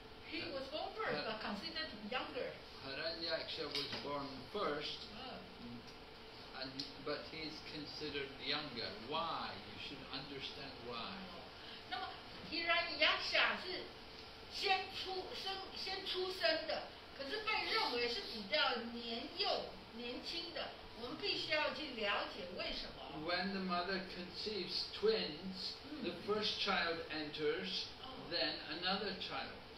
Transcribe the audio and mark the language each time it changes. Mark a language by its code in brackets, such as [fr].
[en] He was born first, but considered younger. Hiranyaksha was born first, and but he's considered younger. Why? You should understand why. [zh] 那么Hiranyaksha是 先出生的，可是被认为是比较年幼、年轻的。我们必须要去了解为什么。 [en] When the mother conceives twins, the first child enters, then another child.